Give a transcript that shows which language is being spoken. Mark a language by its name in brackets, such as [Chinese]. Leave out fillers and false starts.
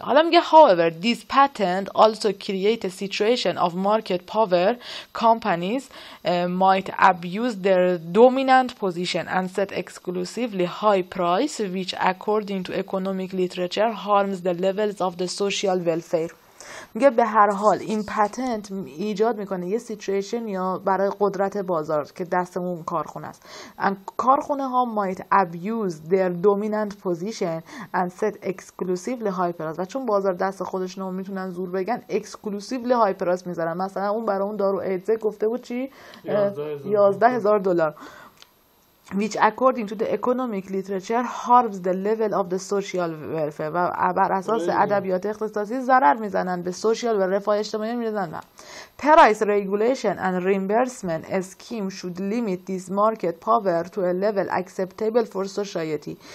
[Persian] حالا میگه [English] however this patent also create a situation of market power، companies might abuse their dominant position and set exclusively high price which according to economic literature harms the levels of the social welfare. [Persian] میگه به هر حال این پتنت ایجاد میکنه یه سیچویشن یا برای قدرت بازار که دستمون کارخونه است. [English] کارخونه ها might abuse their dominant position and set exclusively hyperas. [Persian] و چون بازار دست خودشون رو میتونن زور بگن exclusively hyperas میذارن. مثلا اون برای اون دارو ایدزه گفته بود چی؟ 11,000 دلار. [English] Which according to the economic literature harms the level of the social welfare. [Persian] و بر اساس ادبیات اقتصادی ضرر میزنن به سوشیال و رفاه اجتماعی میزنن. [English] Price regulation and reimbursement scheme should limit this market power to a level acceptable for society.